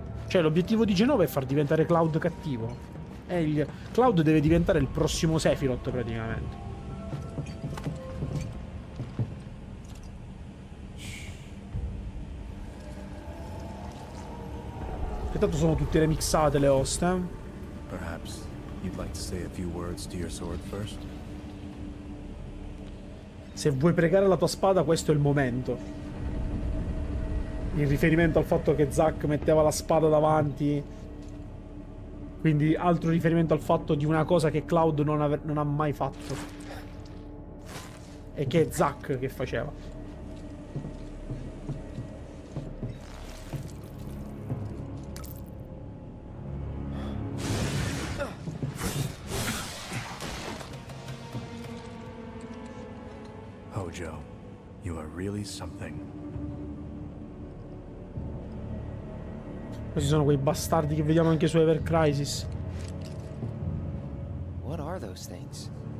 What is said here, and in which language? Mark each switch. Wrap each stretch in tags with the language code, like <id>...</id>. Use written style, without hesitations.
<it>Cioè l'obiettivo di Genova è far diventare Cloud cattivo. E Cloud deve diventare il prossimo Sephiroth praticamente. Che tanto sono tutte remixate le host, eh?</it> <en>Perhaps you'd like to say a few words to your sword first.</en> <it>Se vuoi pregare la tua spada, questo è il momento. In riferimento al fatto che Zack metteva la spada davanti. Quindi altro riferimento al fatto di una cosa che Cloud non ha mai fatto. E che è Zack che faceva.</it> <en>Hojo, you are really something.</en> <it>Questi sono quei bastardi che vediamo anche su Ever Crisis.</it> <en>What are those things?</en>